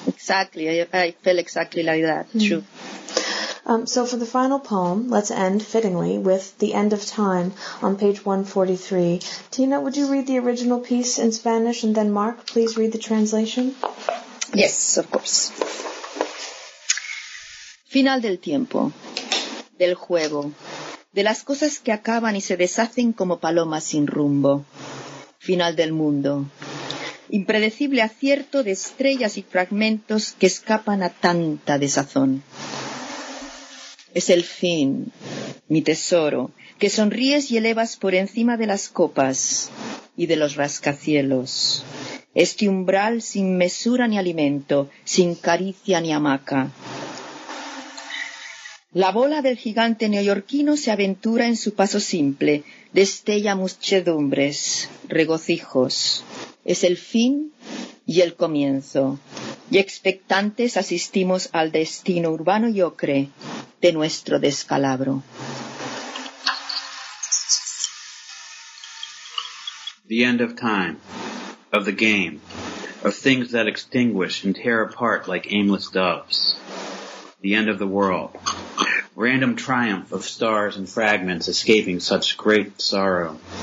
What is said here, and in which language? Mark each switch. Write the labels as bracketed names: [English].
[English] Exactly. I feel exactly like that. Mm. True. So for the final poem, let's end, fittingly, with The End of Time on page 143. Tina, would you read the original piece in Spanish, and then Mark, please read the translation? Yes, of course. [Spanish] Final del tiempo, del juego, de las cosas que acaban y se deshacen como palomas sin rumbo. Final del mundo. Impredecible acierto de estrellas y fragmentos que escapan a tanta desazón. Es el fin, mi tesoro, que sonríes y elevas por encima de las copas y de los rascacielos. este umbral sin mesura ni alimento, sin caricia ni hamaca. La bola del gigante neoyorquino se aventura en su paso simple, destella muchedumbres, regocijos. Es el fin y el comienzo, y expectantes asistimos al destino urbano y ocre de nuestro descalabro. [English] The end of time, of the game, of things that extinguish and tear apart like aimless doves. The end of the world, random triumph of stars and fragments escaping such great sorrow.